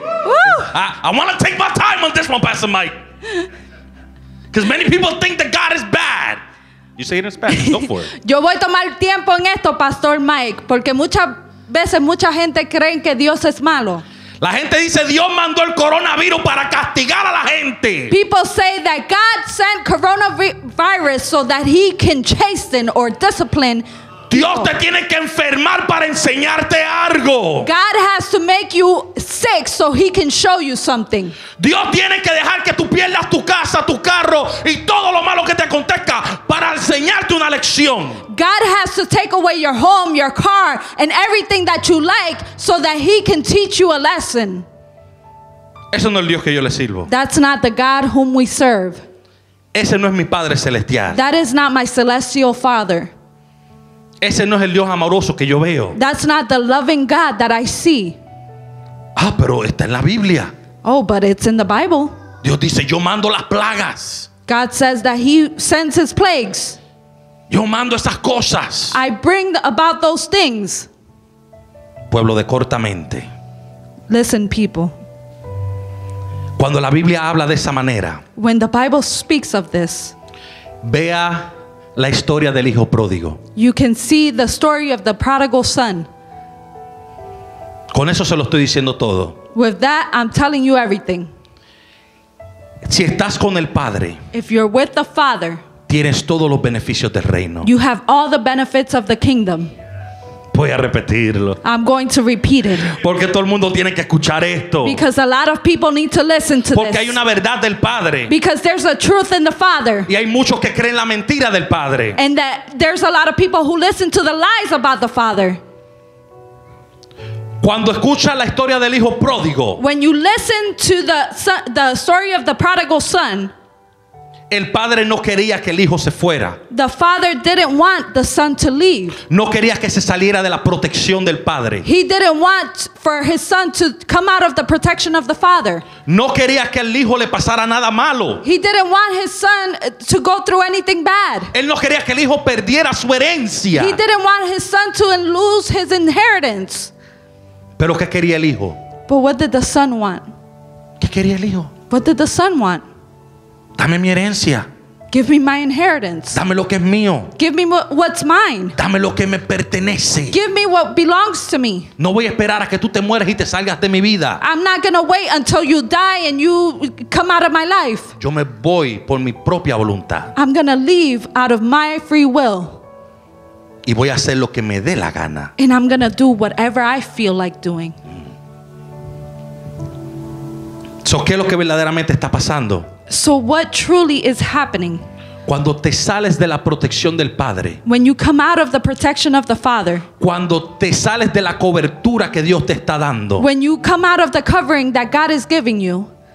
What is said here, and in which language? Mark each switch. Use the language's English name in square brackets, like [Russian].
[English] I want to take my time on this one, Pastor Mike, because many people think that God is bad. You say it in Spanish. Go for it. [Spanish] Yo voy a tomar tiempo en esto, Pastor Mike, porque muchas veces mucha gente creen que Dios es malo. La gente dice Dios mandó el coronavirus para castigar a la gente. [English] People say that God sent coronavirus so that he can chasten or discipline. [Spanish] Dios te tiene que enfermar para enseñarte algo. [English] God has to make you sick so he can show you something. [Spanish] Dios tiene que dejar que tú pierdas tu casa, tu carro y todo lo malo que te acontezca para enseñarte una lección. [English] God has to take away your home, your car, and everything that you like so that he can teach you a lesson. [Spanish] Eso no es el Dios que yo le sirvo. [English] That's not the God whom we serve. [Spanish] Ese no es mi Padre Celestial. [English] That is not my celestial Father. [Spanish] Ese no es el Dios amoroso que yo veo. [English] That's not the loving God that I see. [Spanish] Ah, pero está en la Biblia. [English] Oh, but it's in the Bible. [Spanish] Dios dice, yo mando las plagas. [English] God says that he sends his plagues. [Spanish] Yo mando esas cosas. [English] I bring about those things. [Spanish] Pueblo de corta mente. [English] Listen, people. [Spanish] Cuando la Biblia habla de esa manera. [English] When the Bible speaks of this. [Spanish] Vea la historia del hijo pródigo. [English] You can see the story of the prodigal son. [Spanish] Con eso se lo estoy diciendo todo. [English] With that, I'm telling you everything. [Spanish] Si estás con el padre. [English] If you're with the father. [Spanish] Tienes todos los beneficios del reino. [English] You have all the benefits of the kingdom. [Spanish] Voy a repetirlo. [English] I'm going to repeat it. [Spanish] Porque todo el mundo tiene que escuchar esto. [English] Because a lot of people need to listen to [Spanish] Porque [English] this. [Spanish] Porque hay una verdad del Padre. [English] Because there's a truth in the Father. [Spanish] Y hay muchos que creen la mentira del Padre. [English] And that there's a lot of people who listen to the lies about the Father. [Spanish] Cuando escuchas la historia del hijo pródigo. [English] When you listen to the story of the prodigal son. [Spanish] El padre no quería que el hijo se fuera. [English] The father didn't want the son to leave. [Spanish] No quería que se saliera de la protección del padre. [English] He didn't want for his son to come out of the protection of the father. [Spanish] No quería que el hijo le pasara nada malo. [English] He didn't want his son to go through anything bad. [Spanish] Él no quería que el hijo perdiera su herencia. [English] He didn't want his son to lose his inheritance. [Spanish] Pero ¿qué quería el hijo? [English] But what did the son want? [Spanish] ¿Qué quería el hijo? [English] What did the son want? [Spanish] Dame mi herencia. [English] Give me my inheritance. [Spanish] Dame lo que es mío. [English] Give me what's mine. [Spanish] Dame lo que me pertenece. [English] Give me what belongs to me. [Spanish] No voy a esperar a que tú te mueras y te salgas de mi vida. [English] I'm not going to wait until you die and you come out of my life. [Spanish] Yo me voy por mi propia voluntad. [English] I'm going to leave out of my free will. [Spanish] Y voy a hacer lo que me dé la gana. [English] And I'm going to do whatever I feel like doing. [Spanish] So, ¿qué es lo que verdaderamente está pasando? [English] So what truly is happening? [Spanish] Cuando te sales de la protección del Padre. [English] When you come out of the protection of the Father. [Spanish] Cuando te sales de la cobertura que Dios te está dando. [English] When you come out of the covering that God is giving you.